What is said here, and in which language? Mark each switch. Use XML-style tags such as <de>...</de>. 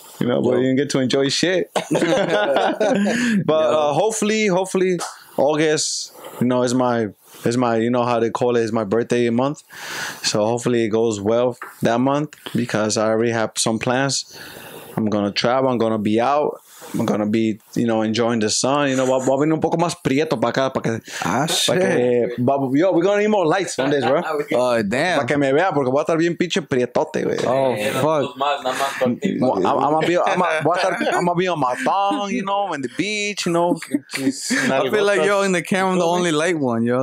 <en>You know, but you didn't get to enjoy shit. But hopefully, August, you know, is my, you know how they call it, is my birthday month. So hopefully it goes well that month because I already have some plans. I'm going to travel. I'm going to be out. I'm going to be, you know, enjoying the sun. You know,</en> <es>voy a venir un poco más prieto para acá.</es> <en>Yo, we're going to need more lights on this, bro. Damn.</en> <es>Para que me vea, porque voy a estar bien pinche prietote, güey.</es> <en>Oh, fuck. I'm going to be on my thong, you know, in the beach, you know. I feel like, yo, in the camera, I'm the only light one, yo.</en>